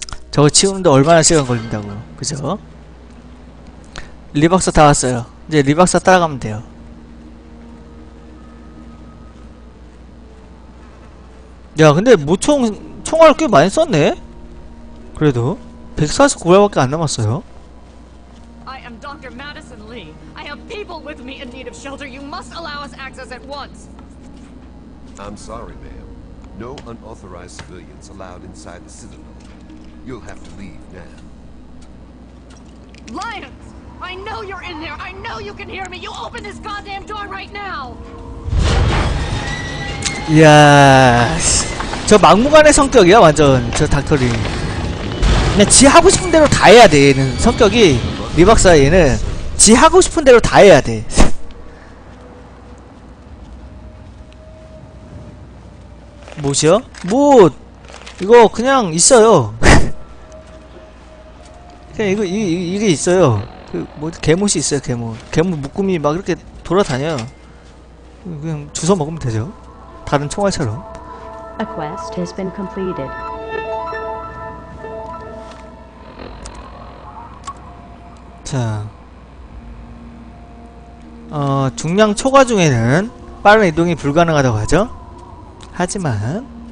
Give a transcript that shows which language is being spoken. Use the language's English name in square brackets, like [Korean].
[Korean] 저거 치우는데 얼마나 시간 걸린다고. 그죠? 리박사 다 왔어요. 이제 리박사 따라가면 돼요. 야, 근데 무총 총알 꽤 많이 썼네. 그래도 149발밖에 안 남았어요. [English] I am Dr. Madison Lee. I have people with me in need of shelter. You must allow us access at once. I'm sorry, ma'am. No unauthorized civilians allowed inside the Citadel. You'll have to leave now. Lions! I know you're in there. I know you can hear me. You open this goddamn door right now. [Korean] 야, 저 막무가내 성격이야 완전 저 닥터리. 그냥 지 하고 싶은 대로 다 해야 돼 얘는. 성격이 리박사 얘는 지 하고 싶은 대로 다 해야 돼. 뭐시여? 뭐 이거 그냥 있어요. 그냥 이거 이게 있어요. 그 뭐 개못이 있어요. 개못 개못 묶음이 막 이렇게 돌아다녀. 그냥 주워 먹으면 되죠. 다른 총알처럼. [English] A quest has been completed. [Korean] 자, 중량 초과 중에는 빠른 이동이 불가능하다고 하죠. 하지만